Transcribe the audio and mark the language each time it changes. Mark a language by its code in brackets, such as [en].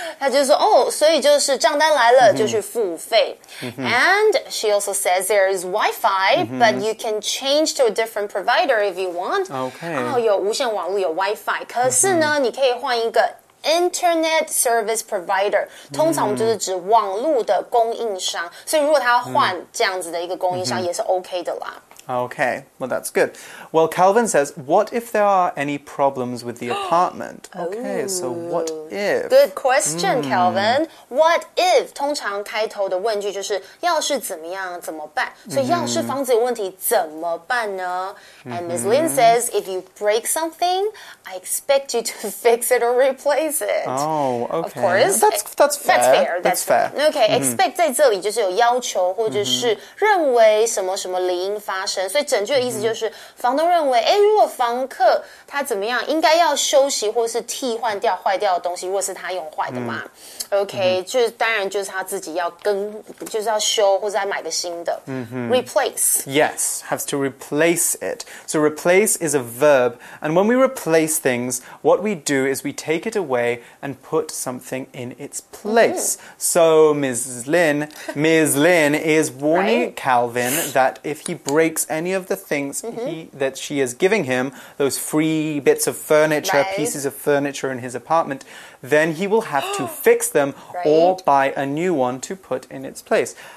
[zh] 他就说哦，所以就是账单来了就是付费。 [en] And she also says there is Wi-Fi, but you can change to a different provider if you want. Okay. [zh] 哦，有无线网络有 Wi-Fi, 可是呢你可以换一个Internet service provider, 通常就是指网络的供应商。所以如果他要换这样子的一个供应商也是 OK 的啦。 [en] Okay, well that's good. Well, Calvin says, what if there are any problems with the apartment? Okay, so what if? Good question, Calvin. What if? [zh] 通常开头的问句就是要是怎么样怎么办？所以要是房子有问题怎么办呢？ [en] And Ms. Lin says, if you break something, I expect you to fix it or replace it. Oh, okay. Of course. That's fair. [zh] Okay, expect 在这里就是有要求或者是认为什么什么理应发生。所以整句的意思就是房东认为如果房客他怎么样应该要休息或是替换掉坏掉的东西如果是他用坏的嘛OK 就是当然就是他自己要跟就是要修或者再买个新的Replace [en] Yes, has to replace it So replace is a verb And when we replace things What we do is we take it away And put something in its place So Ms. Lin is warning Calvin That if he breaks any of the things that she is giving him Those free bits of furniture Pieces of furniture in his apartmentthen he will have to fix them or buy a new one to put in its place.